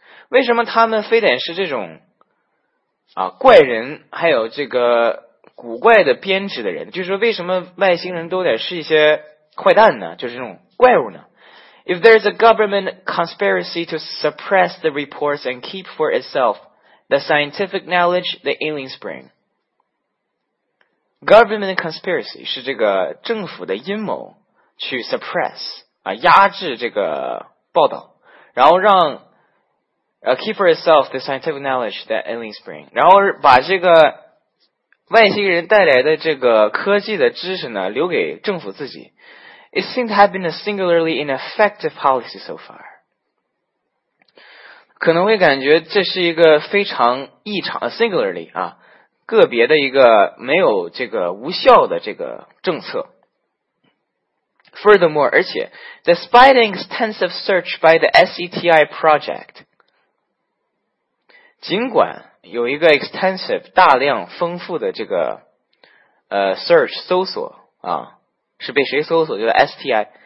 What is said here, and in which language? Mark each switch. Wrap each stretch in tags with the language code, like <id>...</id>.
<zh>为什么他们非得是这种啊怪人还有这个古怪的编制的人就是说为什么外星人都得是一些坏蛋呢就是这种怪物呢</zh> <en>If there's a government conspiracy to suppress the reports and keep for itselfThe scientific knowledge, the aliens bring. Government conspiracy</en> <zh>是这个政府的阴谋去</zh> <en>suppress,</en> <zh>啊压制这个报道然后让</zh> <en>keep for itself the scientific knowledge that aliens bring.</en> <zh>然后把这个外星人带来的这个科技的知识呢留给政府自己。</zh> <en>It seems to have been a singularly ineffective policy so far.</en> <zh>可能会感觉这是一个非常异常 singularly 啊个别的一个没有这个无效的这个政策。</zh> <en>Furthermore,</en> <zh>而且</zh> <en>despite an extensive search by the SETI project,</en> <zh>尽管有一个 extensive 大量丰富的这个search 搜索啊，是被谁搜索？就是 STI。</zh>